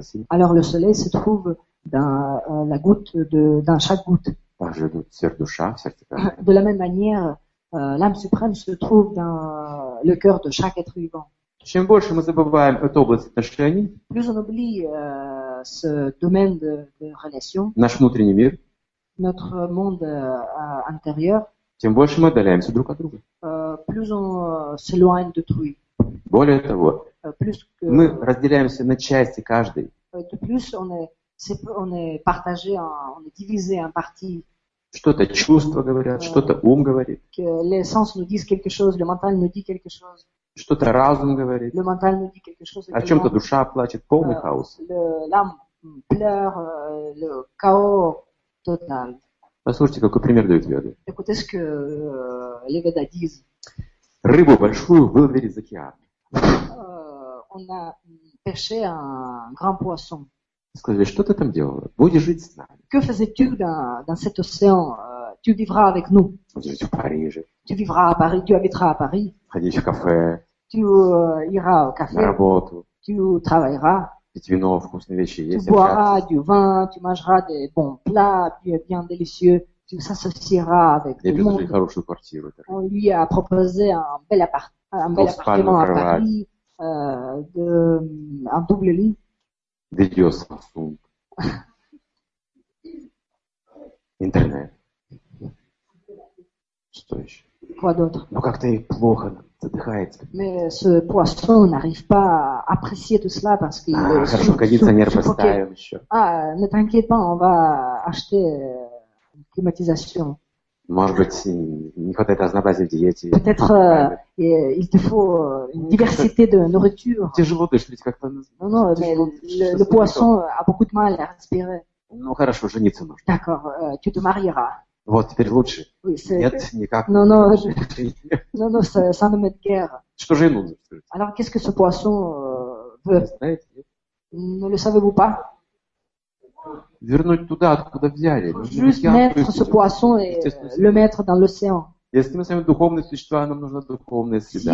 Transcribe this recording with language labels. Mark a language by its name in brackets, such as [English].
[French] Alors le soleil se trouve dans la goutte dans chaque goutte. De la même manière, l'âme suprême se trouve dans le cœur de chaque être vivant. [Russian] Чем больше мы забываем эту область отношений, [French] plus on oublie ce domaine de relation, [Russian] наш внутренний мир, [French] notre monde intérieur, [Russian] тем больше мы отдаляемся друг от друга. [French] Plus on s'éloigne d'autrui. [Russian] Более того, [French] plus que, [Russian] мы разделяемся на части каждой. [French] De plus on est partagé, on est divisé en partie. [Russian] Что-то чувства говорят, что-то ум говорит. [French] Les sens nous disent quelque chose, le mental nous dit quelque chose. [Russian] Что-то разум говорит. [French] Le mental nous dit quelque chose. [Russian] О чем-то душа плачет, полный хаос. [French] L'âme pleure, le chaos total. [Russian] Послушайте, какой пример дают веды. [French] Écoutez ce que les Védas disent. [Russian] Рыбу большую выловили из океана. [French] On a pêché un grand poisson. [Russian] Скажи, что ты там делал? Будешь жить с нами. [French] Que faisais-tu dans cet océan? Tu vivras avec nous. [Russian] Будешь в Париже. [French] Tu vivras à Paris. Tu habiteras à Paris. [Russian] Ходишь в кафе. [French] Tu iras au café. [Russian] На работу. [French] Tu travailleras. [Russian] Пить вино, вкусные вещи есть. [French] Tu boiras du vin. Tu mangeras des bons plats, bien délicieux. Tu s'associeras avec le monde. [Russian] Я предложил хорошую квартиру. [French] On lui a proposé un bel appartement à Paris. Un double lit. [Russian] Видео с Samsung. Интернет. Что еще? [French] Quoi d'autre? [Russian] Ну как-то и плохо, задыхается. [French] Mais ce poisson n'arrive pas à apprécier tout cela parce qu'il [Russian] est хорошо, кондиционер поставим еще. [French] Ne t'inquiète pas, on va acheter une climatisation. [Russian] Может быть, не хватает разнообразия в диете. [French] Peut-être il te faut une diversité de nourriture. [Russian] Тяжело дышать как-то. [French] Non, mais le poisson a beaucoup de mal à respirer. [Russian] Ну хорошо, жениться нужно. [French] D'accord, tu te marieras. [Russian] Вот, теперь лучше. [French] Oui, [Russian] нет, никак. [French] Non, ça ne m'aide guère. [Russian] Что же ему нужно? [French] Alors, qu'est-ce que ce poisson veut? Ne le savez-vous pas? [Russian] Вернуть туда, откуда взяли. [French] Juste mettre ce poisson et le mettre dans l'océan. [Russian] Если мы с вами духовные существа, нам нужна духовная среда.